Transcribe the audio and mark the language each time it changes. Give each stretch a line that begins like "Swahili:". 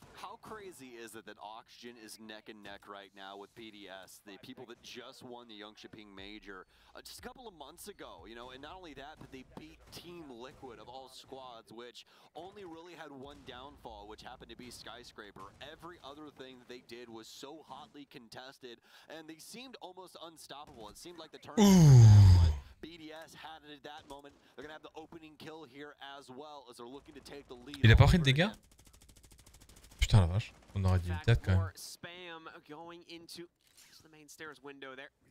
English: How crazy is it that OxyGen is neck and neck right now with BDS, the people that just won the Yongxiaping Major just a couple of months ago, you know, and not only that, but they beat Team Liquid of all squads, which only really had one downfall, which happened to be Skyscraper. Every other thing that they did was so hotly contested, and they seemed almost unstoppable. It seemed like the tournament BDS had it at that moment. They're gonna have the opening kill here as well as they're looking to take the lead.
French: Il a pas pris de dégâts? Putain la vache, on aurait dit une tête quand même.
English: Spam going into the main stairs window there.